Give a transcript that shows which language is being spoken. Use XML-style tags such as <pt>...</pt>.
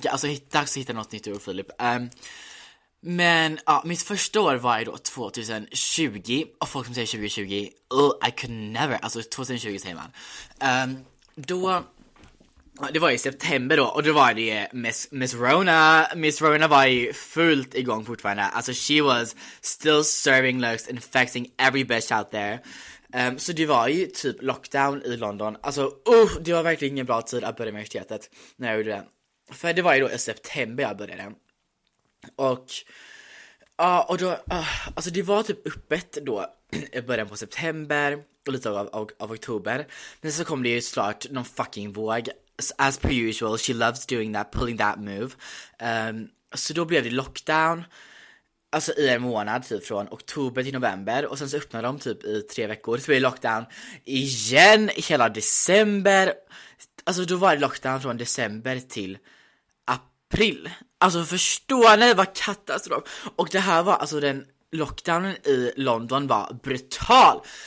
<sv>Alltså, dags att hitta något nytt ur, Filip. Men, ja, mitt första år var ju då 2020. Och folk som säger 2020,</sv> <en>I could never.</en> <sv>Alltså, 2020 säger man. Då, det var ju september då, och då var det Miss Rona. Miss Rona var ju fullt igång fortfarande.</sv> <en>Alltså she was still serving looks, infecting every bitch out there.</en> <sv>Så det var ju typ lockdown i London. Alltså det var verkligen ingen bra tid att börja universitetet när jag gjorde det. För det var ju då i september jag började. Och ja, och då, alltså det var typ öppet då i början på september och lite av oktober. Men så kom det ju såklart någon fucking våg.</sv> <en>As per usual, she loves doing that, pulling that move.</en> <sv>Så då blev det lockdown. Alltså i en månad, typ från oktober till november. Och sen så öppnade de typ i 3 veckor. Så blev det lockdown igen hela december. Alltså då var det lockdown från december till april. Alltså förstår ni vad katastrof. Och det här var, alltså den lockdownen i London var brutal.</sv>